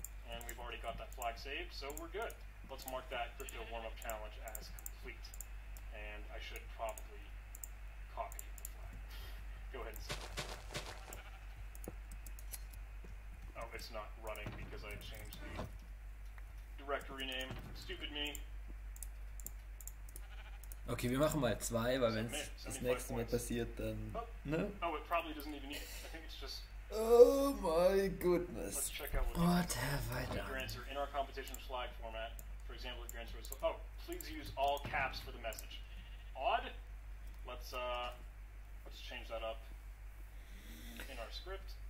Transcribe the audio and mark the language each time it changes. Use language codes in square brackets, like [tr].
[en] And we've already got that flag saved, so we're good. Let's mark that crypto warm-up challenge as complete. And I should probably copy the flag. Go ahead and save that. Oh, it's not running because I changed the directory name. Stupid me. [de] Okay, wir machen mal zwei, weil wenn es das nächste Mal passiert, dann... [en] Oh. [de] Ne? [en] Oh, it probably doesn't even need it. I think it's just... Oh my goodness. Let's check out what have I done? Grants are in our competition flag format. For example, it grants... Oh, please use all caps for the message. Odd? Let's change that up in our script.